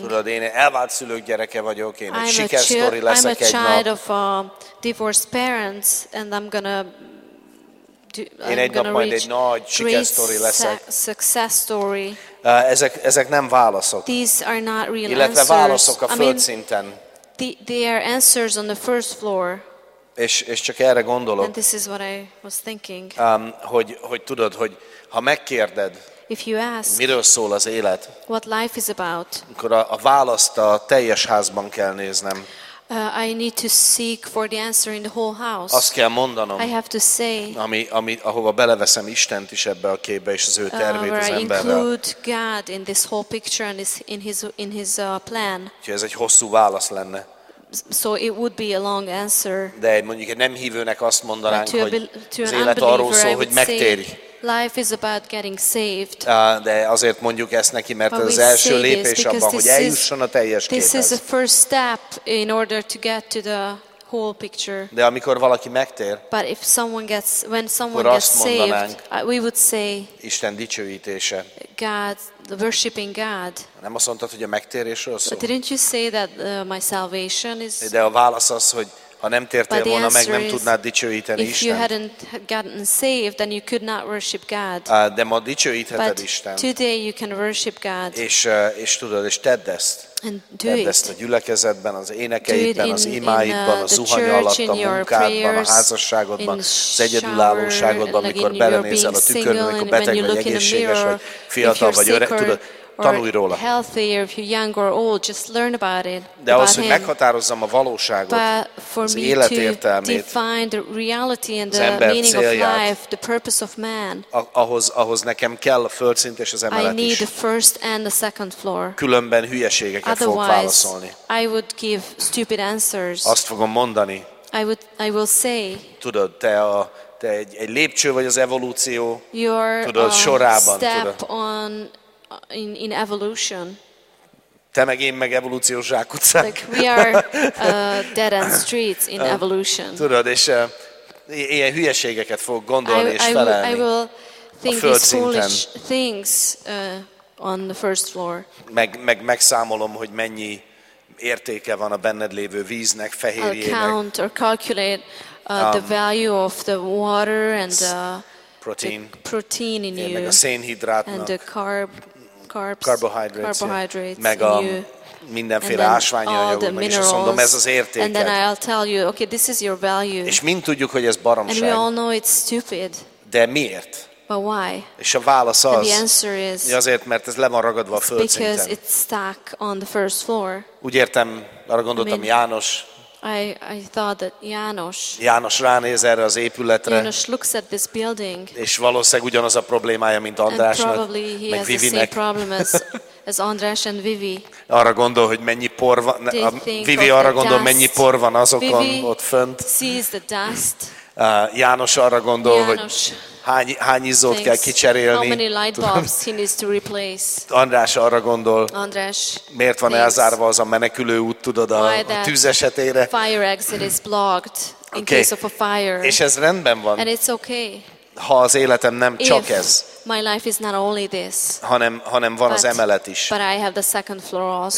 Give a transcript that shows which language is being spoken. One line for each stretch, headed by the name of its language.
Hungarian: Tudod, én elvált szülők gyereke vagyok, én egy sikersztori leszek egy nap.
English: I'm a child of divorced parents and I'm gonna
Hungarian: én egy nap majd egy nagy sikersztori leszek.
English: Success story.
Hungarian: Ezek nem válaszok.
English: These are not real answers.
Hungarian: Illetve válaszok a földszinten.
English: They are answers on the first floor.
Hungarian: És csak erre gondolok.
English: And this is what I was thinking.
Hungarian: Hogy tudod, hogy ha megkérded,
English: if you ask,
Hungarian: miről szól az élet,
English: what life is about,
Hungarian: akkor a választ a teljes házban kell néznem.
English: I need to seek for the answer in the whole house.
Hungarian: Azt kell mondanom.
English: I have to say.
Hungarian: Ami ahova beleveszem Istent is ebbe a képbe és az ő tervét az emberrel.
English: I include God in this whole picture and in his plan.
Hungarian: Úgyhogy ez egy hosszú válasz lenne.
English: So it would be a long answer.
Hungarian: De mondjuk egy nem hívőnek azt mondanánk, hogy az élet arról szól, hogy megtérj.
English: Life is about getting saved.
Hungarian: De azért mondjuk ezt neki, mert az első lépés abban, hogy eljusson a teljes képhez.
English: This is the first step in order to get to the whole picture.
Hungarian: De amikor valaki megtér,
English: but if someone gets, when someone gets saved, we would say,
Hungarian: Isten dicsőítése.
English: God, worshiping God.
Hungarian: Nem azt mondtad, hogy a megtérésről szól?
English: But didn't you say that my salvation is?
Hungarian: De a válasz az, hogy ha nem tértél volna meg, nem tudnád dicsőíteni Istent.
English: If you hadn't gotten saved, then you could not worship God.
Hungarian: De ma dicsőítheted Istent.
English: Today you can worship God.
Hungarian: És tudod, és tedd ezt.
English: And
Hungarian: tedd ezt a gyülekezetben, az énekeidben, az imáidban, a zuhany alatt, a munkádban, a házasságodban, az egyedülállóságodban, amikor belenézel a tükörbe, amikor beteg vagy, egészséges vagy, fiatal vagy, öreg, tudod, tanulj róla.
English: Healthier, if you're young or old, just learn about it.
Hungarian: De ahhoz, hogy meghatározzam a valóságot, az élet értelmét,
English: define the reality and the meaning
Hungarian: célját,
English: of life, the purpose of man.
Hungarian: Ahhoz nekem kell a földszint és az emelet is.
English: I need the first and the second floor.
Hungarian: Különben hülyeségeket
English: otherwise,
Hungarian: fogok válaszolni.
English: Otherwise, I would give stupid answers.
Hungarian: Azt fogom mondani.
English: I will say.
Hungarian: Tudod, te egy lépcső vagy az evolúció.
English: Your,
Hungarian: tudod, sorában,
English: step
Hungarian: tudod.
English: On in evolution.
Hungarian: Te meg én meg evolúciós zsákutcák.
English: Like we are dead end streets in evolution. Tudod, és ilyen hülyeségeket fog gondolni és felelni. I will think these foolish things on the first floor.
Hungarian: Megszámolom, hogy mennyi értéke van a benned lévő víznek, fehérjének.
English: Count or calculate the value of the water and the protein, the protein in you.
Hungarian: Meg a szénhidrátnak.
English: And the carbs, carbohydrates
Hungarian: meg
English: in you.
Hungarian: Mindenféle ásványi anyagok, és azt mondom, ez az értéke.
English: And then I'll tell you, okay, this is your value.
Hungarian: És mind tudjuk, hogy ez baromság.
English: And we all know it's stupid.
Hungarian: De miért?
English: But why?
Hungarian: És a válasz az,
English: and the answer is,
Hungarian: azért, mert ez le van ragadva a földszinten.
English: Because it's stuck on the first floor.
Hungarian: Úgy értem, arra gondoltam, János.
English: I thought that János.
Hungarian: János ránéz erre az épületre.
English: János looks at this building.
Hungarian: És valószínűleg ugyanaz a problémája, mint Andrásnak,
English: and probably he
Hungarian: meg
English: has
Hungarian: Vivinek.
English: The same problem as András and Vivi.
Hungarian: Arra gondol, hogy mennyi por van. A Vivi arra gondol,
English: dust.
Hungarian: Mennyi por van azokon
English: Vivi
Hungarian: ott fönt.
English: Sees the dust.
Hungarian: János arra gondol, János. Hogy hány izzót kell kicserélni.
English: How many light bulbs he needs to replace.
Hungarian: András arra gondol,
English: András
Hungarian: miért van elzárva az a menekülő út, tudod, a tűz esetére.
English: Fire exit is blocked in okay. case of a fire.
Hungarian: És ez rendben van.
English: And it's okay.
Hungarian: Ha az életem nem csak
English: if
Hungarian: ez,
English: my life is not only this,
Hungarian: hanem van
English: but,
Hungarian: az emelet is.
English: But I have the second floor also.